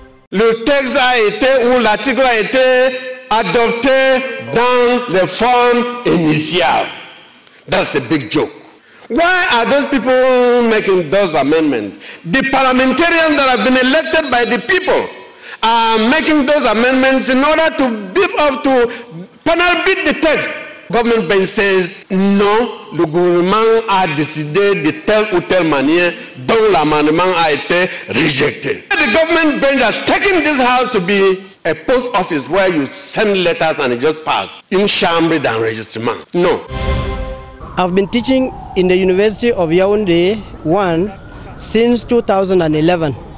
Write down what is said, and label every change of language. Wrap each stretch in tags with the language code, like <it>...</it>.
<fr>Le texte a été ou l'article a été adopté dans la forme initiale.</fr> <en>That's the big joke. Why are those people making those amendments? The parliamentarians that have been elected by the people are making those amendments in order to beef up to panel beat the text. Government Ben says,</en> <fr>non, le gouvernement a décidé de telle ou telle manière dont l'amendement a été rejeté.</fr> <en>The government Ben has taken this house to be a post office where you send letters and it just pass in</en> <fr>chambre d'enregistrement.</fr> <en>No. I've been teaching in the University of Yaoundé 1 since 2011.</en>